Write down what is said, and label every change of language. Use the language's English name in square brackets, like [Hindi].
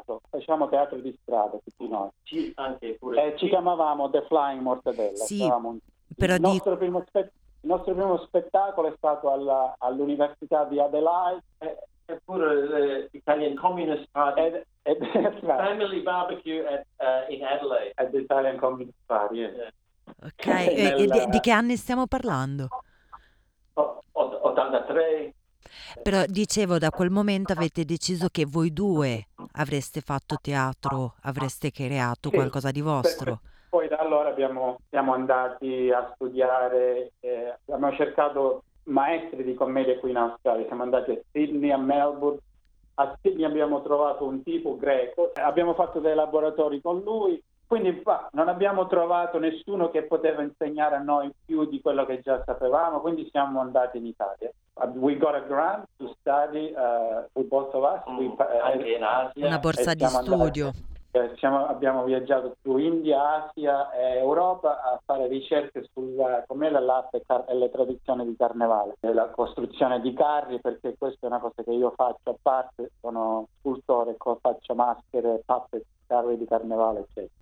[Italian] Facevamo teatro di strada tutti noi. Sì, anche pure. Ci chiamavamo The Flying Mortadella. Sì, però il nostro primo spettacolo è stato all'Università di Adelaide. Eppure l'Italian Communist Party. [English] Family barbecue in Adelaide. At the Italian Communist Party, yeah. [Italian] Ok, di che anni stiamo parlando? 83. Però dicevo, da quel momento avete deciso che voi due avreste fatto teatro, avreste creato qualcosa di vostro. Poi da allora siamo andati a studiare, abbiamo cercato maestri di commedia qui in Australia, siamo andati a Sydney, a Melbourne. A Sydney abbiamo trovato un tipo greco, abbiamo fatto dei laboratori con lui. Quindi non abbiamo trovato nessuno che poteva insegnare a noi più di quello che già sapevamo, quindi siamo andati in Italia. [English] We got a grant to study with both of us. [Italian] Anche in Asia. Una borsa di studio. Abbiamo viaggiato su India, Asia e Europa a fare ricerche su com'è la latte e le tradizioni di carnevale. La costruzione di carri, perché questa è una cosa che io faccio a parte, sono scultore, faccio maschere, puppet, carri di carnevale, eccetera.